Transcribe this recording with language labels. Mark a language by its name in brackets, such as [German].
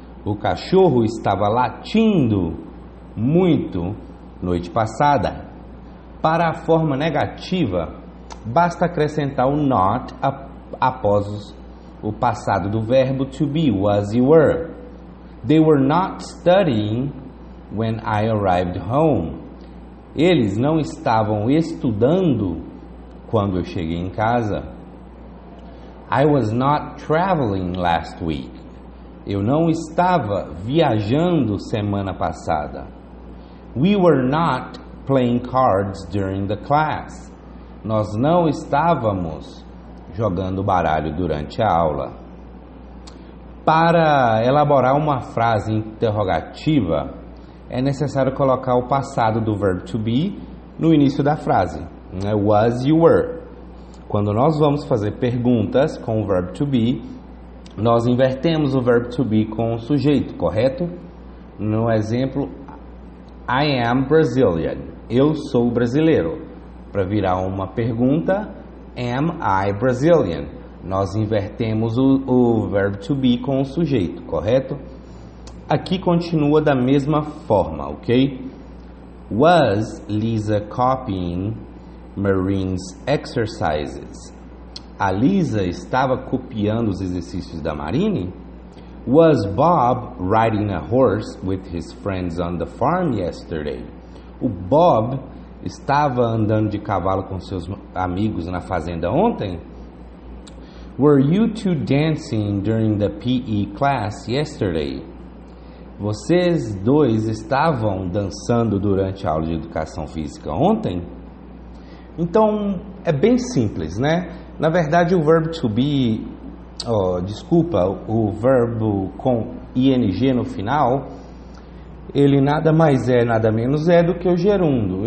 [Portuguese] O cachorro estava latindo muito noite passada. Para a forma negativa, basta acrescentar o not após o passado do verbo to be, was e were. [English] They were not studying when I arrived home. [Portuguese] Eles não estavam estudando quando eu cheguei em casa. [English] I was not traveling last week. [Portuguese] Eu não estava viajando semana passada. [English] We were not playing cards during the class. [Portuguese] Nós não estávamos jogando baralho durante a aula. Para elaborar uma frase interrogativa, é necessário colocar o passado do verbo to be no início da frase, né? Was e were. Quando nós vamos fazer perguntas com o verbo to be, nós invertemos o verbo to be com o sujeito, correto? No exemplo, [English] I am Brazilian. [Portuguese] Eu sou brasileiro. Para virar uma pergunta, [English] am I Brazilian? [Portuguese] Nós invertemos o verbo to be com o sujeito, correto? Aqui continua da mesma forma, ok? [English] Was Lisa copying Marine's exercises? [Portuguese] A Lisa estava copiando os exercícios da Marine? [English] Was Bob riding a horse with his friends on the farm yesterday? [Portuguese] O Bob estava andando de cavalo com seus amigos na fazenda ontem? [English] Were you two dancing during the PE class yesterday? [Portuguese] Vocês dois estavam dançando durante a aula de educação física ontem? Então, é bem simples, né? Na verdade, o verbo to be, o verbo com ing no final, ele nada mais é, nada menos é do que o gerúndio.